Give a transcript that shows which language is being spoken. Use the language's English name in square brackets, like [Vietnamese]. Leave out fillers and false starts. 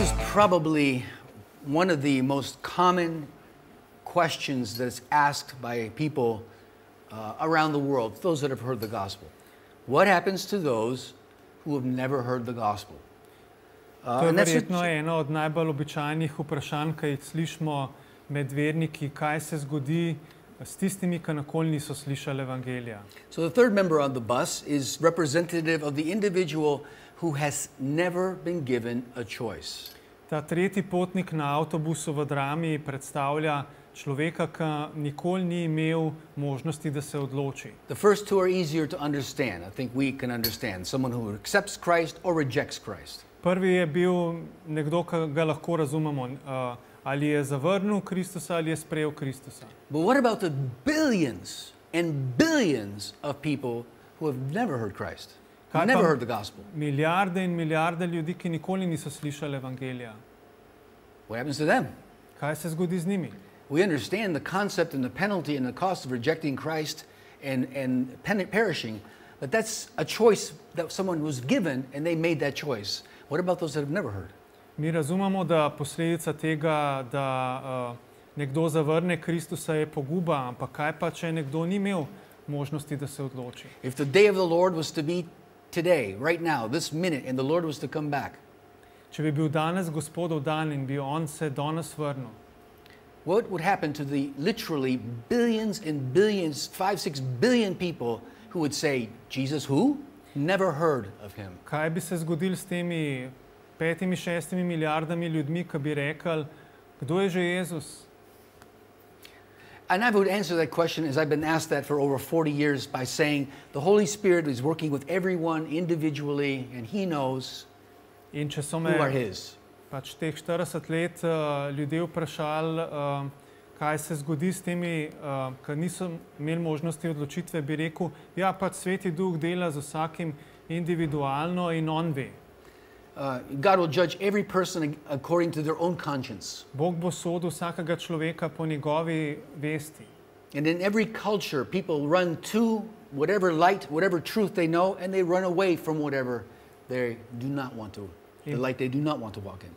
[English] Probably one of the most common questions that's asked by people around the world, those that have heard the gospel. What happens to those who have never heard the gospel? [Slovenian] Eno od najbolj običajnih vprašanj, ki jih slišimo med verniki, kaj se zgodi s tistimi, ki nikoli niso slišali evangelija. [English] So the third member on the bus is representative of the individual who has never been given a choice. [Slovenian] Ta tretji potnik na avtobusu v drami predstavlja človeka, ki nikoli ni imel možnosti, da se odloči. [English] The first two are easier to understand. I think we can understand. Someone who accepts Christ or rejects Christ. [Slovenian] Prvi je bil nekdo, ki ga lahko razumemo. Ali je zavrnil Kristusa ali je sprejel Kristusa. [English] But what about the billions and billions of people who have never heard Christ? Never heard the gospel. [Slovenian] Milijarde in milijarde ljudi, ki nikoli niso slišali evangelija. [English] What happens to them? [Slovenian] Kaj se zgodi z njimi? [English] We understand the concept and the penalty and the cost of rejecting Christ and perishing, but that's a choice that someone was given and they made that choice. What about those that have never heard? [Slovenian] Mi razumemo, da posledica tega, da nekdo zavrne Kristusa, je poguba, ampak kaj pa, če nekdo ni imel možnosti, da se odloči? [English] If the day of the Lord was to be today, right now, this minute, and the Lord was to come back, [Slovenian] če bi bil danes Gospodov dan in bi on se danes vrnil, [English] what would happen to the literally billions and billions, 5-6 billion people who would say, Jesus who? Never heard of him. [Slovenian] Kaj bi se zgodil s temi 5-6 milijardami ljudmi, ki bi rekel, kdo je že Jezus? [English] And I would answer that question as I've been asked that for over 40 years by saying the Holy Spirit is working with everyone individually and he knows. [Slovenian] In če so me pač teh 40 let ljudje vprašali, kaj se zgodi s temi, ki niso imeli možnosti odločitve, bi rekel, ja, pač Sveti Duh dela z vsakim individualno in on ve. [English] God will judge every person according to their own conscience. [Slovenian] Bog bo sodil vsakega človeka po njegovi vesti. [English] And in every culture, people run to whatever light, whatever truth they know, and they run away from whatever they do not want to. The light they do not want to walk in.